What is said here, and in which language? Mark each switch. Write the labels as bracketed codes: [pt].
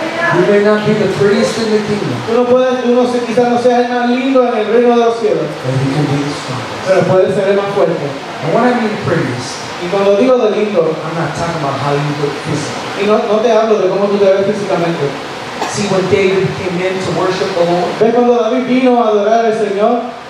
[en] You may not be the prettiest in the kingdom. [es] Tú no puedes, tú no, quizás no seas el más lindo en el reino de los cielos. [en] But you can be the strongest. [es] Pero puedes ser el más fuerte. [en] And when I mean prettiest, [es] y cuando digo de lindo, [en] I'm not talking about how you look physically. [es] Y no te hablo de cómo tú te ves físicamente. [en] See, when David came in to worship the Lord, [es] ¿ves cuando David vino a adorar al Señor?